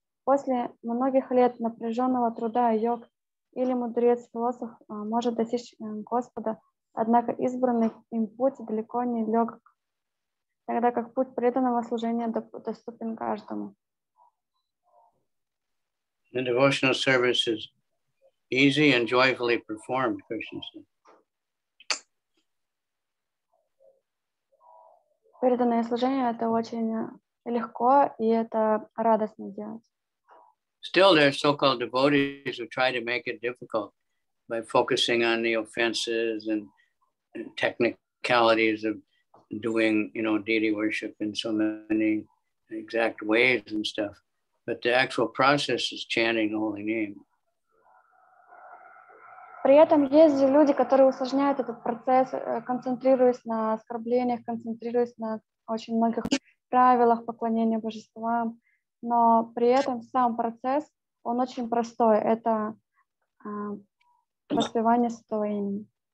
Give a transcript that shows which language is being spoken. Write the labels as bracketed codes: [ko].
[ru] После многих лет напряженного труда йог или мудрец-философ может достичь Господа, однако избранный им путь далеко не легок, тогда как путь преданного служения доступен каждому. [en] The devotional service is easy and joyfully performed, Krishna said. [ru] Преданное служение — это очень легко, и это радостно делать. [en] Still, there are so-called devotees who try to make it difficult by focusing on the offenses and technicalities of doing, you know, deity worship in so many exact ways and stuff, but the actual process is chanting the holy name. [ru] При этом есть люди, которые усложняют этот процесс, концентрируясь на оскорблениях, концентрируясь на очень многих правилах поклонения божествам, но при этом сам процесс, он очень простой. Это воспевание святого имени.